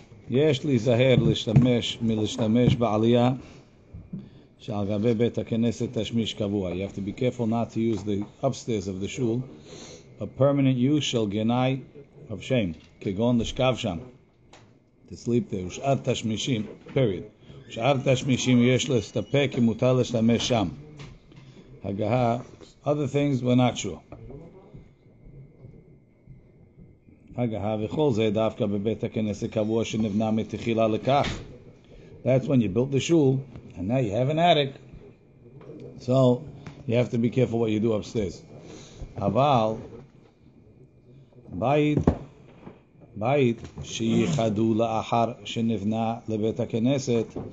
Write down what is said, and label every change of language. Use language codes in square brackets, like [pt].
[he] יש להיזהר להשתמש מלהשתמש בעלייה שעל גבי בית הכנסת תשמיש קבוע. [en] You have to be careful not to use the upstairs of the shul. A permanent use [he] של גנאי [en] of shame, [he] כגון לשכב שם. [en] To sleep there. [he] ושאר תשמישים, period. ושאר תשמישים יש להסתפק אם מותר להשתמש שם. [en] הגהה, other things were not sure. [he] הגהה וכל זה דווקא בבית הכנסת קבוע שנבנה מתחילה לכך. [en] That's when you built the shul, and now you have an attic. So, you have to be careful what you do upstairs. [he] אבל, בית שייחדו לאחר שנבנה לבית הכנסת,